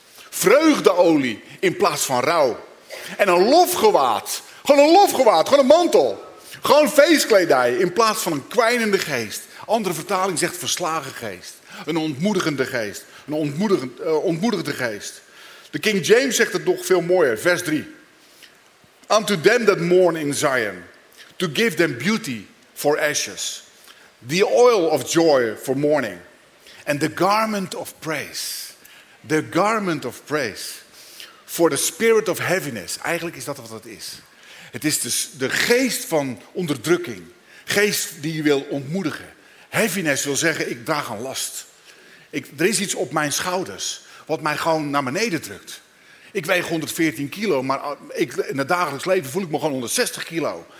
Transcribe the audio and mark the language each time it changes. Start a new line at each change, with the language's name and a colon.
Dutch: Vreugdeolie in plaats van rouw. En een lofgewaad, gewoon een mantel. Gewoon feestkledij in plaats van een kwijnende geest. Andere vertaling zegt verslagen geest. Een ontmoedigende geest. Ontmoedigende geest. De King James zegt het nog veel mooier. Vers 3.
English: Unto them that mourn in Zion. To give them beauty for ashes. The oil of joy for mourning. And the garment of praise. The garment of praise. For the spirit of heaviness.
Dutch: Eigenlijk is dat wat het is. Het is dus de geest van onderdrukking. Geest die je wil ontmoedigen. Heaviness wil zeggen, ik draag een last. Er is iets op mijn schouders wat mij gewoon naar beneden drukt. Ik weeg 114 kilo, maar in het dagelijks leven voel ik me gewoon 160 kilo.